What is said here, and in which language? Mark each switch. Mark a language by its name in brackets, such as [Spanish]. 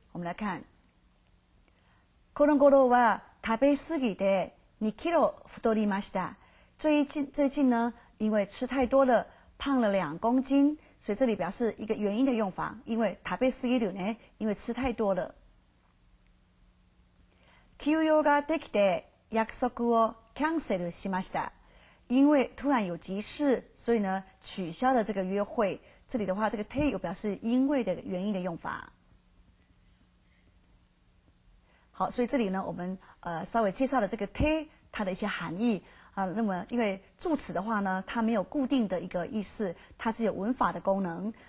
[Chinese] 我们来看， [Japanese] この頃は食べ過ぎて2キロ太りました。 [Chinese] 最近呢，因为吃太多了，胖了两公斤，所以这里表示一个原因的用法，因为 [Japanese] 食べ過ぎるね， [Chinese] 因为吃太多了。 [Japanese] 休養ができて約束をキャンセルしました。 [Chinese] 因为突然有急事，所以呢取消了这个约会。这里的话，这个て有表示因为的原因的用法。好，所以这里呢，我们稍微介绍了这个て它的一些含义啊。那么因为助词的话呢，它没有固定的一个意思，它只有文法的功能。